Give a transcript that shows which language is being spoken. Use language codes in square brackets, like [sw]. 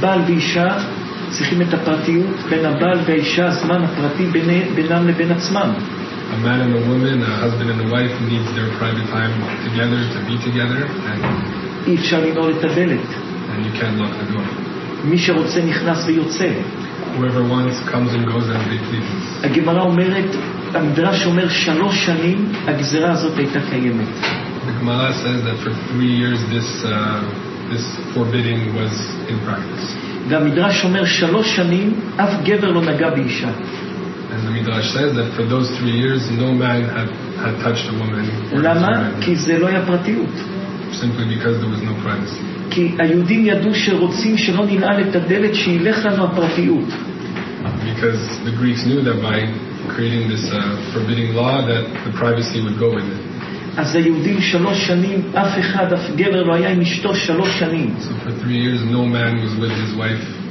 [he] בעל ואישה צריכים את הפרטיות, בין הבעל ואישה זמן הפרטי בינם לבין עצמם. [en] A man and a woman, a husband and a wife needs their private time together to be together. [he] אי אפשר לנעול את הדלת. [en] And you can't lock the door. [he] מי שרוצה נכנס ויוצא. [en] Whoever wants comes and goes as they please. [he] הגמרא אומרת, המדרש אומר שלוש שנים הגזרה הזאת הייתה קיימת. [en] The Gemara says that for 3 years this forbidding was in practice. [he] והמדרש אומר שלוש שנים אף גבר לא נגע באישה. [en] And the Midrash says that for those 3 years, no man had touched a woman. [he] למה? כי זה לא היה פרטיות. [en] Simply because there was no privacy. [he] כי היהודים ידעו שרוצים שלא ננעל את הדלת שילך לנו הפרטיות. [en] Because the Greeks knew that by creating this forbidding law, that the privacy would go with it. [he] אז היהודים שלוש שנים, אף אחד, אף גבר לא היה עם אשתו שלוש שנים. [en] So for 3 years, no man was with his wife.